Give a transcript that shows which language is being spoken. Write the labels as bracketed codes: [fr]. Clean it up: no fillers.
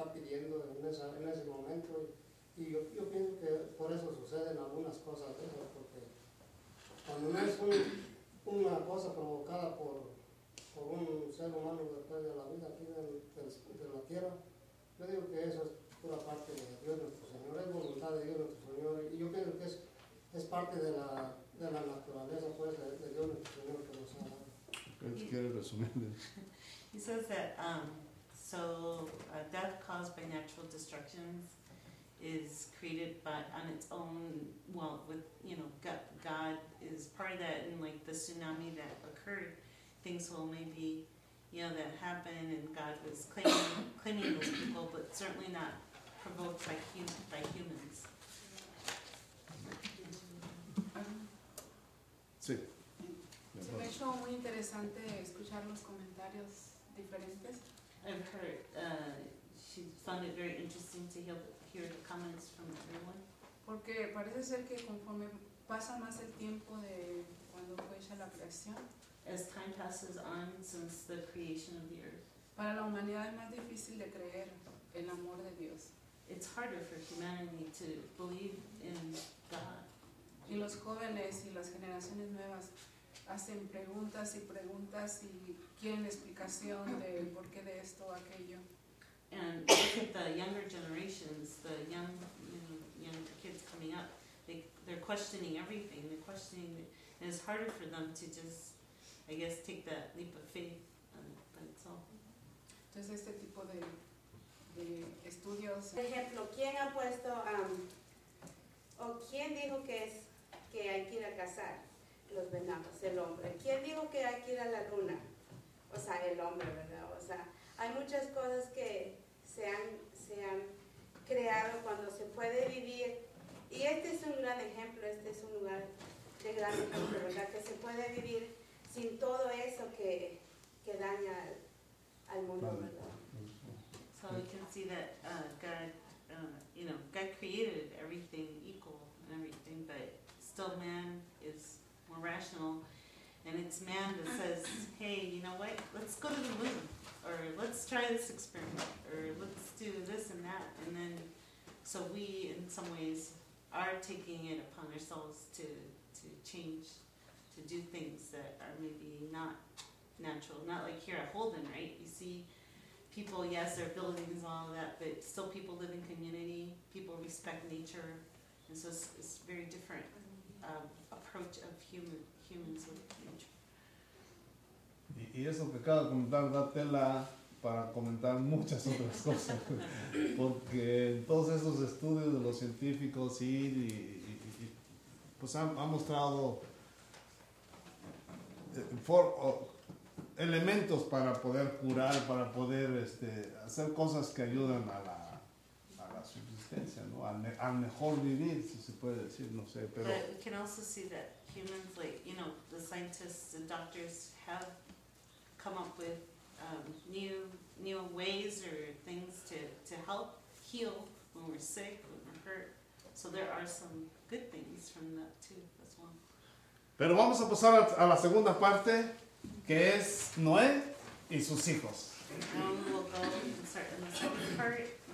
[es] está pidiendo en ese momento. Y yo pienso que por eso suceden algunas cosas de eso, porque cuando no es una cosa provocada por un ser humano después de la vida aquí de la tierra, yo digo que eso es pura parte de Dios nuestro Señor, es voluntad de Dios nuestro Señor, y yo pienso que es parte de la naturaleza, pues, de Dios nuestro Señor que nos ha dado. ¿Quieres resumirle? [en] He says that, death caused by natural destructions is created by, on its own, well, with, you know, God is part of that, and like the tsunami that occurred, things will maybe, you know, that happen, and God was claiming those people, but certainly not provoked by humans. [es] Sí. Se me ha hecho muy interesante escuchar los comentarios diferentes. [en] I've heard, she found it very interesting to hear the comments from everyone. [es] Porque parece ser que conforme pasa más el tiempo de cuando fue hecha la creación, [en] as time passes on since the creation of the earth, [es] para la humanidad es más difícil de creer el amor de Dios. [en] It's harder for humanity to believe in God. [es] Y los jóvenes y las generaciones nuevas hacen preguntas y preguntas y quieren explicación de por qué de esto o aquello. [en] And the younger generations, the young kids coming up, they're questioning everything. They're questioning, and it's harder for them to just, I guess, take that leap of faith by itself. [es] Entonces este tipo de estudios. Por ejemplo, ¿quién ha puesto o quién dijo que hay que ir a cazar? Los venados, el hombre. ¿Quién dijo que hay que ir a la luna? O sea, el hombre, ¿verdad? O sea, hay muchas cosas que se han creado cuando se puede vivir. Y este es un gran ejemplo, este es un lugar de gran ejemplo, ¿verdad? Que se puede vivir sin todo eso que daña al mundo, ¿verdad? [en] So we can see that God created everything equal and everything, but still man is more rational, and it's man that says, hey, you know what, let's go to the moon, or let's try this experiment, or let's do this and that, and then, so we, in some ways, are taking it upon ourselves to change, to do things that are maybe not natural, not like here at Holden, right? You see people, yes, they're buildings and all of that, but still people live in community, people respect nature, and so it's very different. Approach of humans with nature. [es] Y eso que acaba de comentar da tela para comentar muchas otras cosas, porque en todos esos estudios de los científicos y pues han mostrado elementos para poder curar, para poder hacer cosas que ayudan a la subsistencia, ¿no? Al mejor vivir, si se puede decir, no sé, pero... [en] But we can also see that humans, like, you know, the scientists and doctors have come up with new ways or things to help heal when we're sick, when we're hurt. So there are some good things from that too, as well. [es] Pero vamos a pasar a la segunda parte, que es Noé y sus hijos. [en] We'll go and start in the second part.